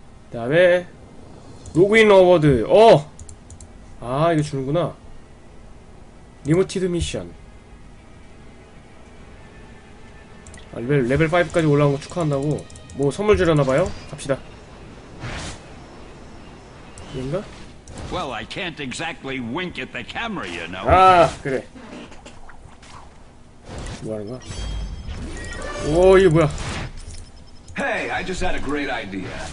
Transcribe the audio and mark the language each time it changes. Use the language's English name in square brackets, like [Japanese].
[Korean] 그 다음에 로그인 어워드. 어! 아, 이거 주는구나. 리모티드 미션. 아, 레벨 5까지 올라온 거 축하한다고 뭐 선물 주려나봐요? 갑시다. 인가? [English] Well, I can't exactly wink at the camera, you know. [Korean] 아, 그래. 뭐하는 거야? 오, 이게 뭐야? [English] Hey, I just had a great idea.